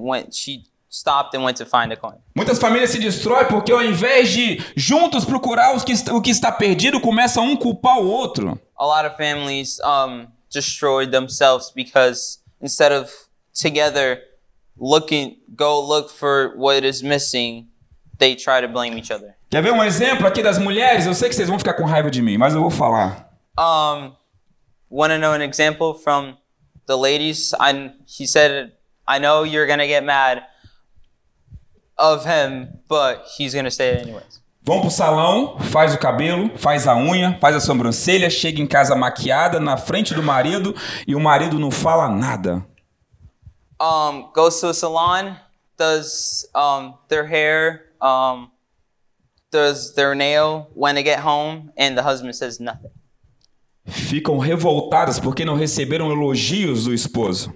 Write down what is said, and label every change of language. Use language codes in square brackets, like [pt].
[en] She stopped and went to find a coin. [pt] Muitas famílias se destroem porque ao invés de juntos procurar o que está perdido, começa um culpar o outro. [en] A lot of families destroy themselves because instead of together go look for what is missing, they try to blame each other. [pt] Quer ver um exemplo aqui das mulheres? Eu sei que vocês vão ficar com raiva de mim, mas eu vou falar. [en] Want to know an example from the ladies? And he said, I know you're going to get mad of him, but he's going to say it anyways. [pt] Vão pro salão, faz o cabelo, faz a unha, faz a sobrancelha, chega em casa maquiada na frente do marido e o marido não fala nada. [en] Goes to a salon, does their hair, does their nail when they get home and the husband says nothing. [pt] Ficam revoltadas porque não receberam elogios do esposo.